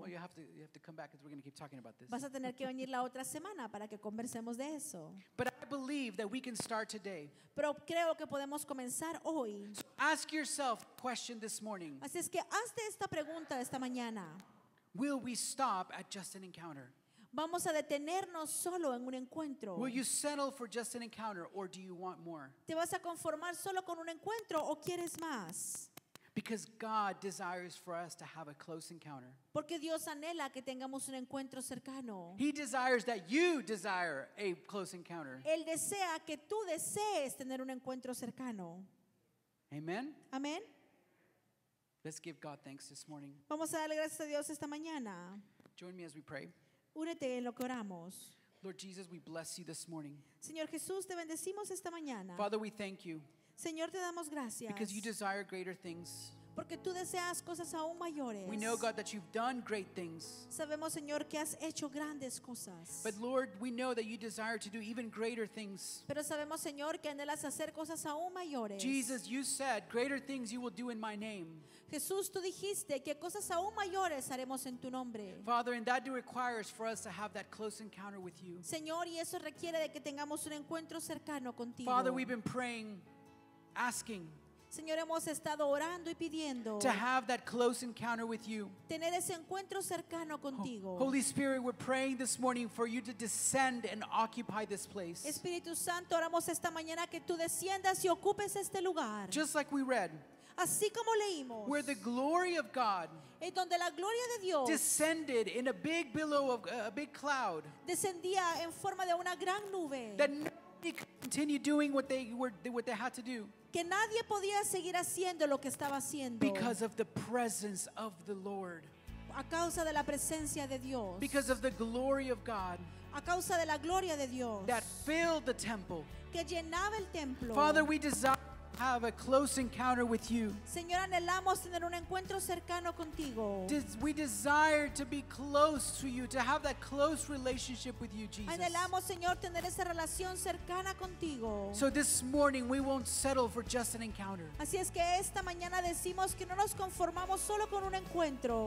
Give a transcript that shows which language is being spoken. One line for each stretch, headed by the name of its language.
English: Well, you have to come back because we're going to keep talking about this.
Spanish: Vas a tener que venir la otra semana para que conversemos de eso.
English: But I believe that we can start today.
Spanish: Pero creo que podemos comenzar hoy.
English: So ask yourself a question this morning.
Spanish: Así es que hazte esta pregunta esta mañana.
English: Will we stop at just an encounter?
Spanish: Vamos a detenernos solo en un encuentro.
English: Will you settle for just an encounter, or do you want more?
Spanish: ¿Te vas a conformar solo con un encuentro o quieres más?
English: Because God desires for us to have a close encounter.
Spanish: Porque Dios anhela que tengamos un encuentro cercano.
English: He desires that you desire a close encounter.
Spanish: Él desea que tú desees tener un encuentro cercano.
English: Amen.
Spanish: Amen.
English: Let's give God thanks this morning.
Spanish: Vamos a darle gracias a Dios esta mañana.
English: Join me as we pray.
Spanish: Únete en lo que oramos.
English: Lord Jesus, we bless you this morning.
Spanish: Señor Jesús, te bendecimos esta mañana.
English: Father, we thank you.
Spanish: Señor, te damos gracias.
English: Because you desire greater things.
Spanish: Porque tú deseas cosas aún mayores.
English: We know, God, that you've done great things.
Spanish: Sabemos, Señor, que has hecho grandes cosas.
English: But Lord, we know that you desire to do even greater things.
Spanish: Pero sabemos, Señor, que anhelas hacer cosas aún mayores.
English: Jesus, you said, greater things you will do in my name.
Spanish: Jesús, tú dijiste que cosas aún mayores haremos en tu nombre.
English: Father, and that requires for us to have that close encounter with you.
Spanish: Señor, y eso requiere de que tengamos un encuentro cercano contigo.
English: Father, we've been praying, asking.
Spanish: Señor, hemos estado orando y pidiendo
English: to have that close encounter with you.
Spanish: Tener ese encuentro cercano contigo.
English: Holy Spirit, we're praying this morning for you to descend and occupy this place.
Spanish: Espíritu Santo, oramos esta mañana que tú desciendas y ocupes este lugar.
English: Just like we read.
Spanish: Así como leímos,
English: where the glory of God
Spanish: donde la gloria de Dios
English: descended in a big billow of a big cloud.
Spanish: Descendía en forma de una gran nube.
English: That nobody could continue doing what they had to do.
Spanish: Que nadie podía seguir haciendo lo que estaba haciendo.
English: Because of the presence of the Lord.
Spanish: A causa de la presencia de Dios.
English: Because of the glory of God.
Spanish: A causa de la gloria de Dios.
English: That filled the temple.
Spanish: Que llenaba el templo.
English: Father, we desire to have a close encounter with you.
Spanish: Señor, anhelamos tener un encuentro cercano contigo.
English: We desire to be close to you, to have that close relationship with you, Jesus.
Spanish: Anhelamos, Señor, tener esa relación cercana contigo.
English: So this morning we won't settle for just an encounter.
Spanish: Así es que esta mañana decimos que no nos conformamos solo con un encuentro.